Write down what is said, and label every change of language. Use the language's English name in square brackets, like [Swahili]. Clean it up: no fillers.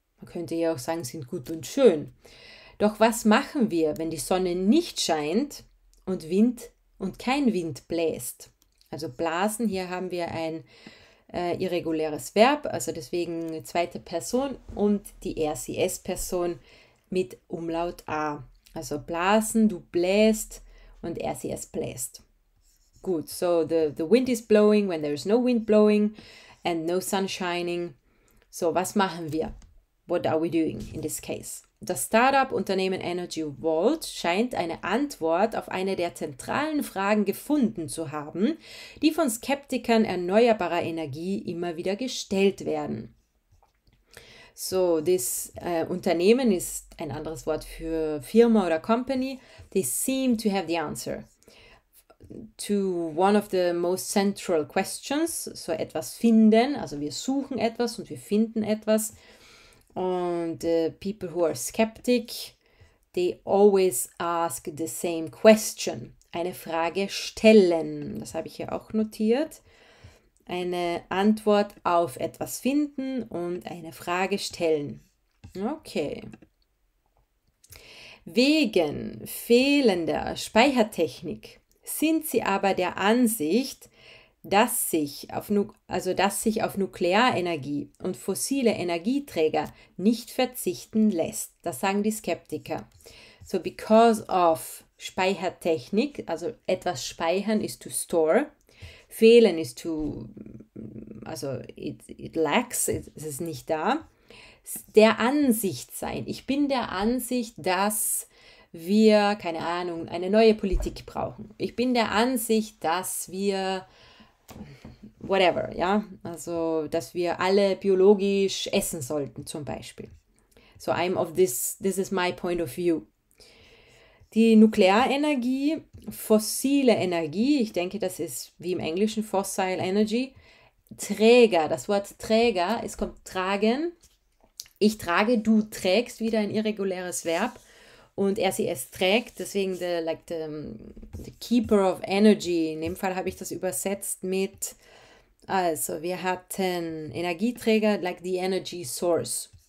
[German] Man könnte ja auch sagen, sind gut und schön. Doch was machen wir, wenn die Sonne nicht scheint und Wind und kein Wind bläst? Also blasen, hier haben wir ein irreguläres Verb, also deswegen zweite Person und die RCS-Person mit Umlaut A. Also blasen, du bläst und RCS bläst. [English] Gut, so the wind is blowing when there is no wind blowing and no sun shining. [German] So, was machen wir? [English] What are we doing in this case? [German] Das Startup-Unternehmen Energy Vault scheint eine Antwort auf eine der zentralen Fragen gefunden zu haben, die von Skeptikern erneuerbarer Energie immer wieder gestellt werden. [English] So, this [German] Unternehmen ist ein anderes Wort für Firma oder Company. [English] They seem to have the answer to one of the most central questions. [German] So etwas finden, also wir suchen etwas und wir finden etwas. Und [English] people who are skeptic, they always ask the same question. [German] Eine Frage stellen. Das habe ich hier auch notiert. Eine Antwort auf etwas finden und eine Frage stellen. Okay. Wegen fehlender Speichertechnik sind sie aber der Ansicht, dass sich auf Nuklearenergie und fossile Energieträger nicht verzichten lässt. Das sagen die Skeptiker. [English] So, because of [German] Speichertechnik, also etwas speichern ist [English] to store, [German] fehlen ist [English] it lacks, [German] es ist nicht da. Der Ansicht sein. Ich bin der Ansicht, dass wir, keine Ahnung, eine neue Politik brauchen. Ich bin der Ansicht, dass wir whatever, ja, also dass wir alle biologisch essen sollten, zum Beispiel. [English] So, I'm of this, this is my point of view. [German] Die Nuklearenergie, fossile Energie, ich denke, das ist wie im Englischen [English] fossil energy, [German] Träger, das Wort Träger, es kommt tragen, ich trage, du trägst, wieder ein irreguläres Verb. Und er sie es trägt, deswegen [English] the Keeper of Energy. [German] In dem Fall habe ich das übersetzt mit, also wir hatten Energieträger, [English] like the Energy Source.